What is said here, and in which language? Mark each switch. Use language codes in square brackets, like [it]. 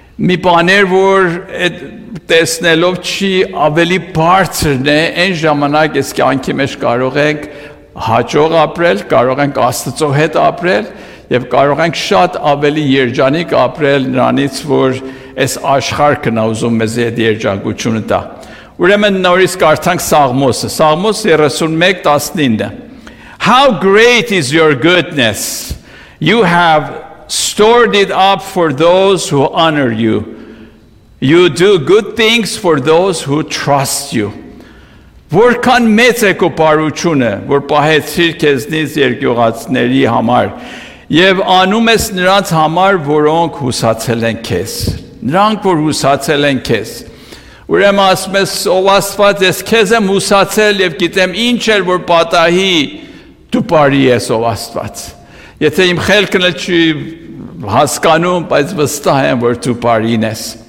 [hy] մի բաներ, որ այդ տեսնելով չի ավելի բարձրն է, այն ժամանակ ես կյանքի մեջ կարող ենք հաջող ապրել, կարող ենք Աստծո հետ ապրել և կարող ենք շատ ավելի երջանիկ ապրել նրանից, որ այս աշխարհն է ուզում մեզ այդ երջանկությունը տա։ Ուրեմն նորից կարդանք Սաղմոսը, Սաղմոս 31:19. [en] How great is your goodness! You have stored it up for those who honor you. You do good things for those who trust you. [hy] Որքան մեծ է քո բարությունը, որ պահեցիր քեզնից երկյուղացների համար, և անում ես նրանց համար, որոնք հուսացել են քեզ, նրանք, որ հուսացել են քեզ։ Ուրեմն ասում ես, ով Աստված, ես քեզ եմ հուսացել, և գիտեմ ինչ էլ, որ պատահի, դու բարի ես, ով Աստված, եթե իմ խելքն էլ չի հասկանում, բայց վստահ եմ, որ դու բարին ես։